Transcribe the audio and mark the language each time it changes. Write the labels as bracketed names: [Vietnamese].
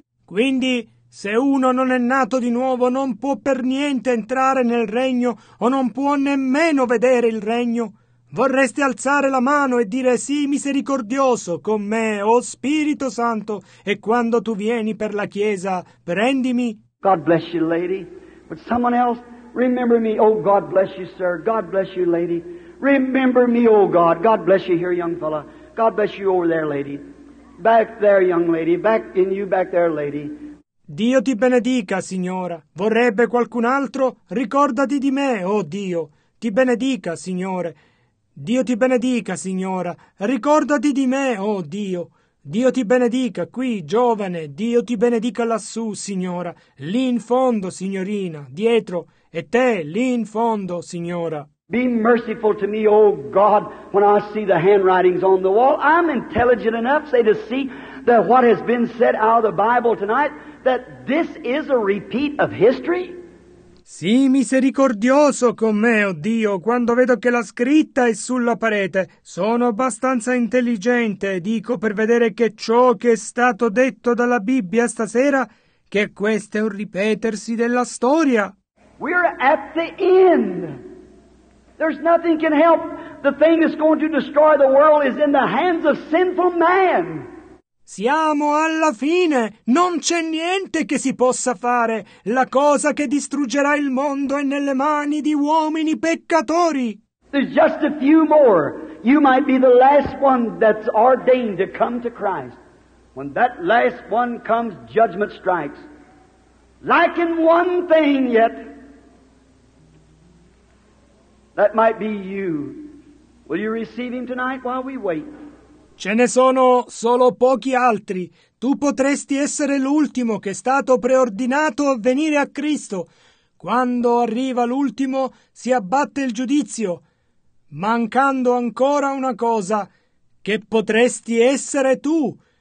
[Italian] Quindi, se uno non è nato di nuovo, non può per niente entrare nel regno, o non può nemmeno vedere il regno. Vorreste alzare la mano e dire, sì, misericordioso con me, o Spirito Santo, e quando tu vieni per la Chiesa, prendimi. [English] God bless you, lady. Would someone else remember me? Oh, God bless you, sir. God bless you, lady. Remember me, oh God. God bless you here, young fella. God bless you over there, lady. Back there, young lady. Back in you, back there, lady. [Italian] Dio ti benedica, signora. Vorrebbe qualcun altro? Ricordati di me, oh Dio. Ti benedica, signore. Dio ti benedica, signora. Ricordati di me, oh Dio. Dio ti benedica qui, giovane. Dio ti benedica lassù, signora. Lì in fondo, signorina, dietro. e te lì in fondo, Signora. [English] Be merciful to me, O God, when I see the handwritings on the wall. I'm intelligent enough, say, to see that what has been said out of the Bible tonight, that this is a repeat of history. [Italian] Sii misericordioso con me, oh Dio, quando vedo che la scritta è sulla parete. Sono abbastanza intelligente, dico, per vedere che ciò che è stato detto dalla Bibbia stasera, che questo è un ripetersi della storia. [English] We're at the end. There's nothing can help. The thing that's going to destroy the world is in the hands of sinful man. [Italian] Siamo alla fine, non c'è niente che si possa fare. La cosa che distruggerà il mondo è nelle mani di uomini peccatori. [English] There's just a few more. You might be the last one that's ordained to come to Christ. When that last one comes, judgment strikes. Lacking one thing yet, that might be you. Will you receive him tonight while we wait? [Italian] Ce ne sono solo pochi altri. Tu potresti essere l'ultimo che è stato preordinato a venire a Cristo. Quando arriva l'ultimo, si abbatte il giudizio. Mancando ancora una cosa, che potresti essere tu.